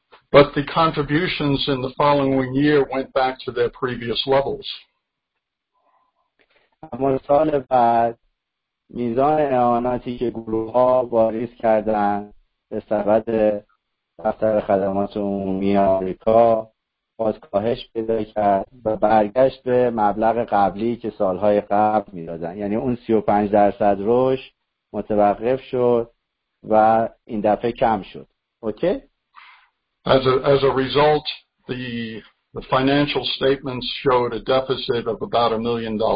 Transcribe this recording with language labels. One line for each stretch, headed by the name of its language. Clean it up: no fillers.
English: But the contributions in the following year went back to their previous levels.
Persian: اما سال بعد میزان اعاناتی که گروه‌ها واریز کردن به سبد دفتر خدمات عمومی آمریکا باز کاهش پیدا کرد و برگشت به مبلغ قبلی که سال‌های قبل می‌دادن. یعنی اون 35% رشد متوقف شد و این دفعه کم شد. اوکی؟
English: As a result, the financial statements showed a deficit of about $1 million.